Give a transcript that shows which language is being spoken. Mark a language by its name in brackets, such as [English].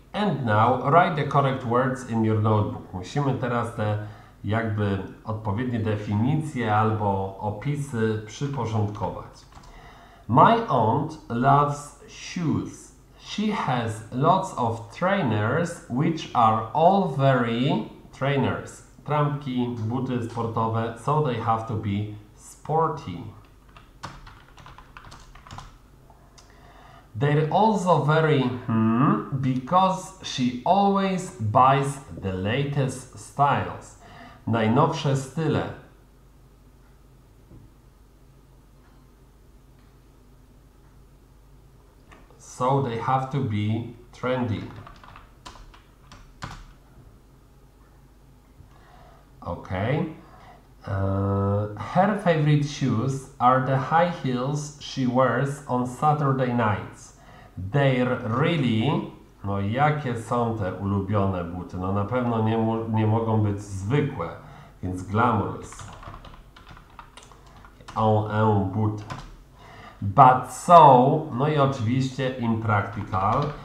[English] And now write the correct words in your notebook. [Polish] Musimy teraz te jakby odpowiednie definicje albo opisy przyporządkować. [English] My aunt loves shoes. She has lots of trainers, which are all very trainers. [Polish] Trampki, buty sportowe, [English] so they have to be sporty. They're also very because she always buys the latest styles. [Polish] Najnowsze style. [English] So they have to be trendy. Okay. Her favorite shoes are the high heels she wears on Saturday nights. They're really... [Polish] No jakie są te ulubione buty? No na pewno nie mogą być zwykłe, więc glamorous. On un but. But so, no i oczywiście impractical.